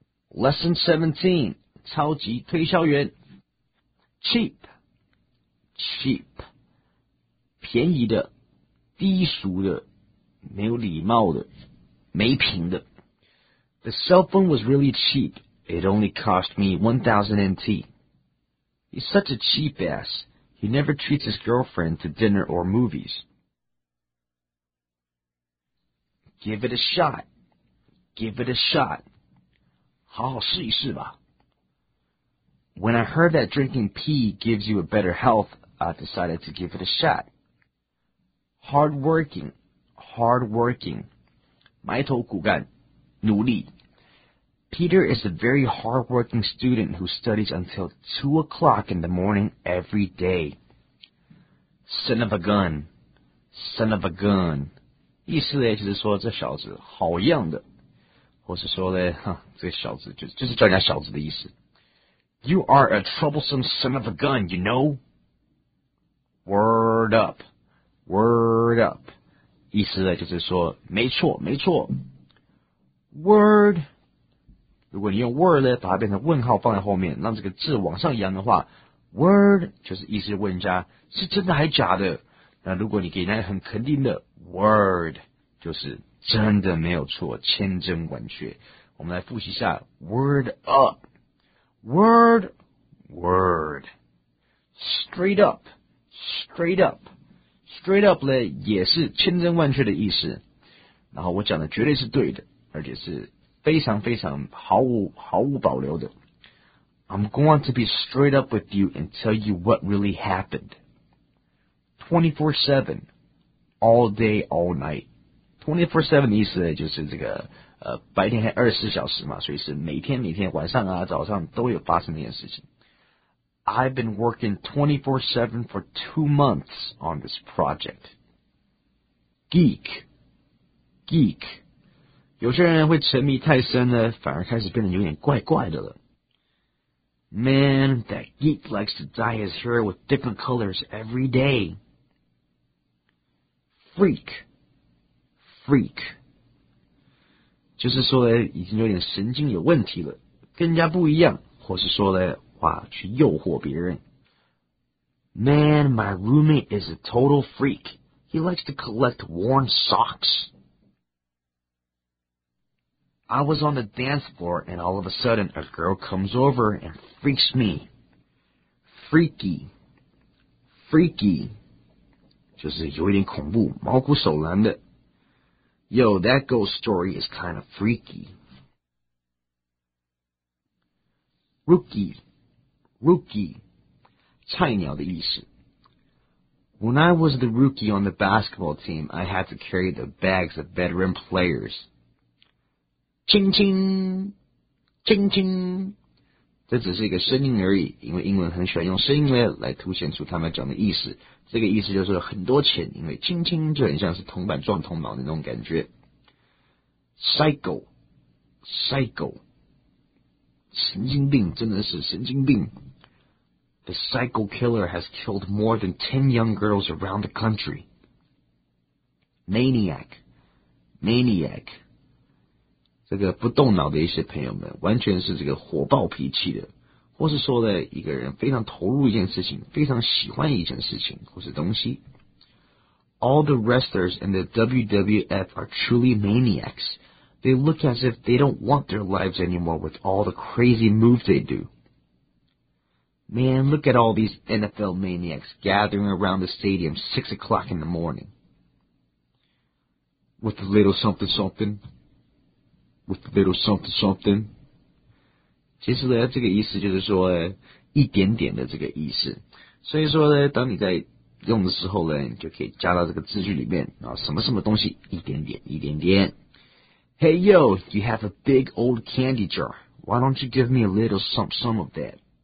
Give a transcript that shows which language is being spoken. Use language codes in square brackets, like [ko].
[zh] Lesson 17, 超级推销员。Cheap, cheap, 便宜的，低俗的，没有礼貌的，没品的。 [en] The cell phone was really cheap. It only cost me 1,000 NT. He's such a cheap ass. He never treats his girlfriend to dinner or movies. Give it a shot. Give it a shot. [zh] 好好试一试吧。 [en] When I heard that drinking pee gives you a better health, I decided to give it a shot. Hardworking, hardworking. [zh] 埋头苦干，努力。 [en] Peter is a very hardworking student who studies until 2 o'clock in the morning every day. Son of a gun, son of a gun. [zh] 意思呢，就是说这小子好样的。或是说嘞，哈，这小子就是叫人家小子的意思。 [en] You are a troublesome son of a gun, you know? Word up, word up. [zh] 意思呢就是说，没错，没错。 [en] Word, [zh] 如果你用 word 呢，把它变成问号放在后面，让这个字往上扬的话 ，word 就是意思问人家是真的还假的。那如果你给人家很肯定的 word， 就是。真的没有错，千真万确。我们来复习一下 ，word up， word， word， [en] straight up， straight up， [zh] straight up 呢也是千真万确的意思。然后我讲的绝对是对的，而且是非常非常毫无保留的。 [en] I'm going to be straight up with you and tell you what really happened. 24/7, all day, all night. [zh] 24/7的意思就是这个白天还24小时嘛，所以是每天每天晚上啊早上都有发生那件事情。 [en] I've been working 24/7 for 2 months on this project. Geek, geek. [zh] 有些人会沉迷太深呢，反而开始变得有点怪怪的了。 [en] Man, that geek likes to dye his hair with different colors every day. Freak. [zh] Freak， 就是说呢，已经有点神经有问题了，跟人家不一样，或是说呢，哇，去诱惑别人。 [en] Man, my roommate is a total freak. He likes to collect worn socks. I was on the dance floor, and all of a sudden, a girl comes over and freaks me. [zh] Freaky, freaky， 就是有一点恐怖，毛骨悚然的。 [en] Yo, that ghost story is kind of freaky. [zh] Rookie, rookie, 菜鸟的意思。 [en] When I was the rookie on the basketball team, I had to carry the bags of veteran players. Ching ching, ching ching. [zh] 这只是一个声音而已，因为英文很喜欢用声音来凸显出他们讲的意思。这个意思就是很多钱，因为轻轻就很像是铜板撞铜板的那种感觉。 [en] Psycho, psycho, [zh] 神经病，真的是神经病。 [en] The psycho killer has killed more than 10 young girls around the country. [zh] Maniac, maniac, 这个不动脑的一些朋友们，完全是这个火爆脾气的。或是说的一个人非常投入一件事情，非常喜欢一件事情或是东西。 [en] All the wrestlers in the WWF are truly maniacs. They look as if they don't want their lives anymore with all the crazy moves they do. Man, look at all these NFL maniacs gathering around the stadium 6 o'clock in the morning. With a little something something. With a little something something. [zh] 其实呢，这个意思就是说一点点的这个意思。所以说呢，当你在用的时候呢，你就可以加到这个字句里面啊，什么什么东西一点点，一点点。 [en] Hey yo, you have a big old candy jar. Why don't you give me a little some of that?